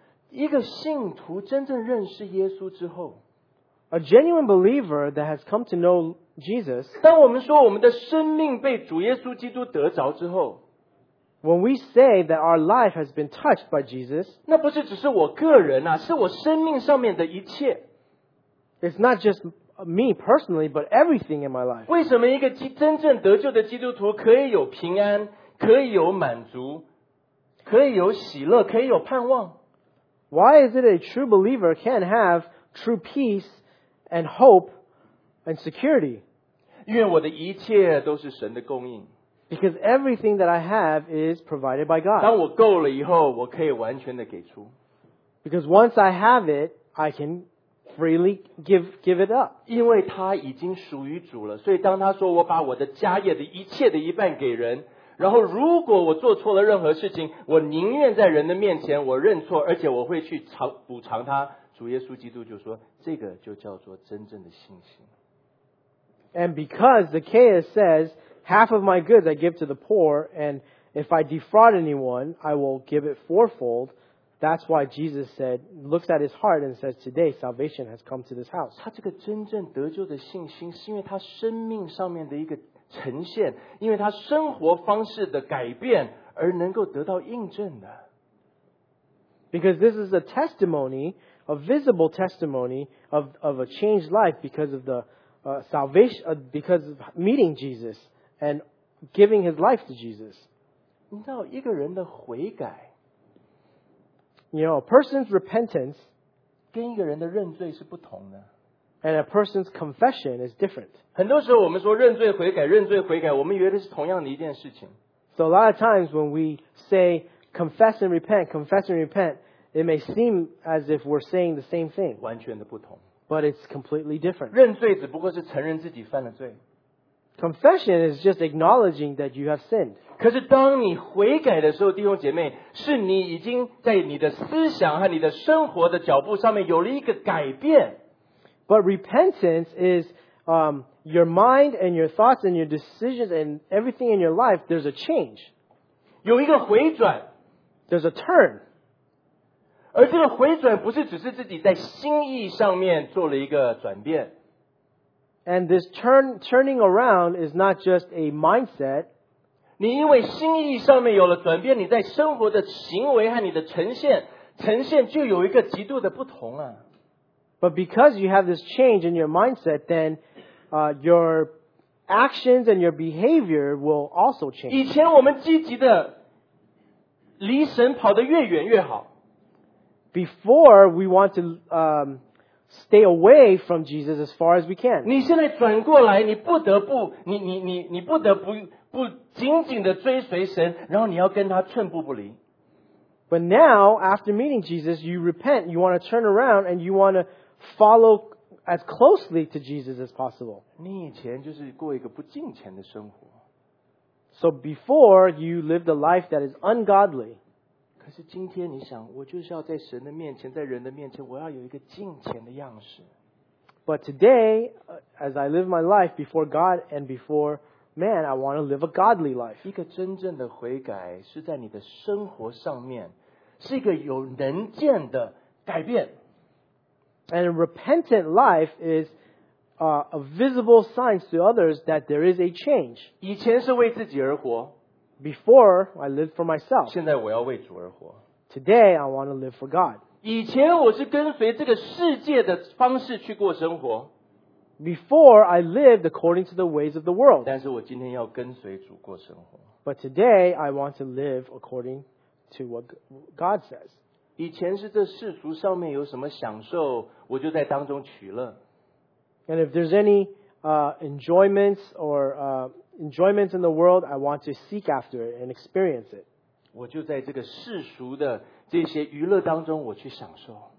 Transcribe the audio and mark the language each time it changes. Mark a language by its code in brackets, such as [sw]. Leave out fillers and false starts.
[zh] 一个信徒真正认识耶稣之后， [en] A genuine believer that has come to know Jesus, [zh] 当我们说我们的生命被主耶稣基督得着之后， [en] When we say that our life has been touched by Jesus, [zh] 那不是只是我个人啊，是我生命上面的一切。 [en] It's not justme personally, but everything in my life. [zh] 为什么一个真正得救的基督徒可以有平安，可以有满足，可以有喜乐，可以有盼望？ [en] Why is it a true believer can have true peace and hope and security? [zh] 因为我的一切都是神的供应。 [en] Because everything that I have is provided by God. [zh] 当我够了以后，我可以完全的给出。 [en] Because once I have it, I can freely give it up. [zh] 因为他已经属于主了，所以当他说我把我的家业的一切的一半给人，然后如果我做错了任何事情，我宁愿在人的面前我认错，而且我会去补偿他。主耶稣基督就说，这个就叫做真正的信心。 [en] And because Zacchaeus says, half of my goods I give to the poor, and if I defraud anyone, I will give it fourfold. That's why Jesus said, looks at his heart and says, today salvation has come to this house. [zh] 他这个真正得救的信心是因为他生命上面的一个呈现，因为他生活方式的改变而能够得到印证的。 [en] Because this is a testimony, a visible testimony of a changed life because of the salvation, because of meeting Jesus and giving his life to Jesus. [zh] 你知道一个人的悔改， [en] You know, a person's repentance [zh] 跟一个人的认罪是不同的。 [en] And a person's confession is different. [zh] 很多时候我们说认罪悔改，认罪悔改，我们以为的是同样的一件事情。 [en] So a lot of times when we say confess and repent, it may seem as if we're saying the same thing. [zh] 完全的不同。 [en] But it's completely different. [zh] 认罪只不过是承认自己犯了罪。 [en] Confession is just acknowledging that you have sinned. [zh] 可是当你悔改的时候，弟兄姐妹，是你已经在你的思想和你的生活的脚步上面有了一个改变。 [en] But repentance is your mind and your thoughts and your decisions and everything in your life, there's a change. [zh] 有一个回转。 [en] There's a turn. [zh] 而这个回转不是只是自己在心意上面做了一个转变。 [en] And this turning around is not just a mindset. [zh] 你因为心意上面有了转变，你在生活的行为和你的呈现就有一个极度的不同啊。 [en] But because you have this change in your mindset, then your actions and your behavior will also change. [zh] 以前我们积极的离神跑得越远越好。 [en] Before we want to stay away from Jesus as far as we can. [zh] 你现在转过来，你不得不，你不得不不紧紧的追随神，然后你要跟他寸步不离。 [en] But now, after meeting Jesus, you repent. You want to turn around and you want to follow as closely to Jesus as possible. [zh] 你以前就是过一个不敬虔的生活。 [en] So before you lived a life that is ungodly. [zh] 可是今天你想，我就是要在神的面前，在人的面前，我要有一个敬虔的样式。 [en] But today, as I live my life before God and before man, I want to live a godly life. [zh] 一个真正的悔改是在你的生活上面，是一个有能见的改变。 [en] And a repentant life is a visible sign to others that there is a change. [zh] 以前是为自己而活。 [en] Before, I lived for myself. [zh] 现在我要为主而活。 [en] Today, I want to live for God. [zh] 以前我是跟随这个世界的方式去过生活。 [en] Before, I lived according to the ways of the world. [zh] 但是我今天要跟随主过生活。 [en] But today, I want to live according to what God says. [zh] 以前是这世俗上面有什么享受，我就在当中取乐。 [en] And if there's any enjoyments or enjoyments in the world, I want to seek after it and experience it. [zh] 我就在这个世俗的这些娱乐当中我去享受。